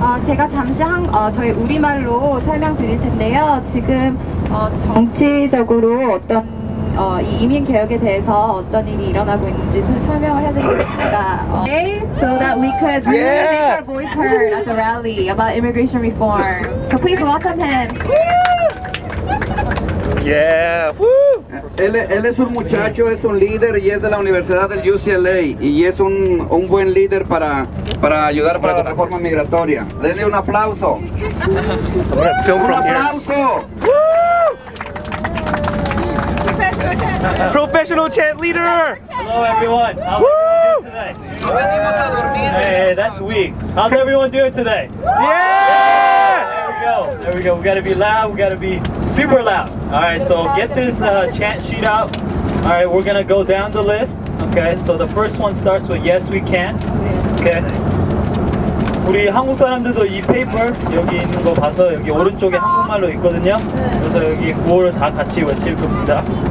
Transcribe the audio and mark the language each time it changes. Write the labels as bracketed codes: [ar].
[ko] 제가 잠시 저희 우리말로 설명 드릴 텐데요. 지금 정치적으로 어떤 이 이민 개혁에 대해서 어떤 일이 일어나고 있는지 설명을 해드리겠습니다. [en] Okay, so that we could really make our voice heard at the rally about immigration reform. So please welcome him. Yeah. Woo. [es] Él es un muchacho, es un líder y es de la Universidad del UCLA y es un buen líder para ayudar para la reforma migratoria. Denle un aplauso. Un aplauso. [en] Professional chant leader. Hello everyone. How's everyone doing today? Hey, that's weak. How's everyone doing today? Yeah. There we go. We gotta be loud. We gotta be super loud. All right. So get this chant sheet out. All right. We're gonna go down the list. Okay. So the first one starts with yes we can. Okay. [ko] 우리 한국 사람들도 이 paper 여기 있는 거 봐서 여기 오른쪽에 한국말로 있거든요. 그래서 여기 구호를 다 같이 외칠 겁니다.